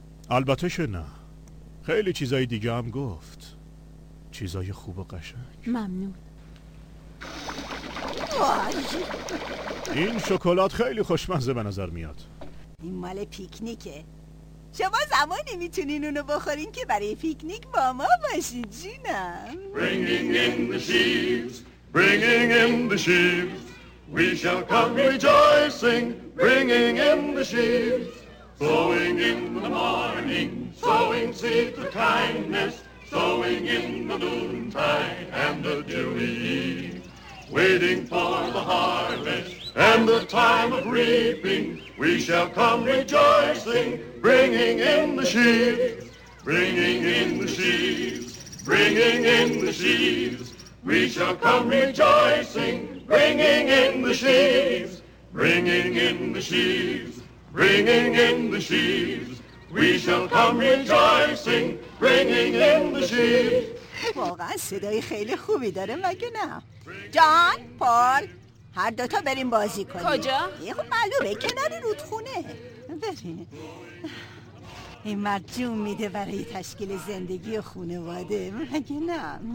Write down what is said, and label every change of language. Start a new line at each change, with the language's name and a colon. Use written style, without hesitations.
Persian: البته شو نه، خیلی چیزای دیگه هم گفت، چیزای خوب و قشنگ. ممنون. این شکلات خیلی خوشمزه به نظر میاد. این مال پیکنیکه، شما زمانی میتونین اونو بخورین که برای پیکنیک با ما باشید جینم.
English: Bringing in the sheaves, bringing in the sheaves, we shall come rejoicing, bringing in the sheaves. Sowing in the morning, sowing seeds of kindness, sowing in the noontide and the dewy eve. Waiting for the harvest and the time of reaping, we shall come rejoicing, bringing in the sheaves. Bringing in the sheaves, bringing in the sheaves, we shall come rejoicing, bringing in the sheaves. Bringing in the sheaves, bringing in the sheaves. We shall come rejoicing, bringing in the sheaves.
Persian: واقعا صدای خیلی خوبی داره مگه نه؟ جان، پال، هر دوتا بریم بازی کنیم. کجا؟ خب معلومه کنار رودخونه. بریم. این مرد جون میده برای تشکیل زندگی و خانواده، مگه نه؟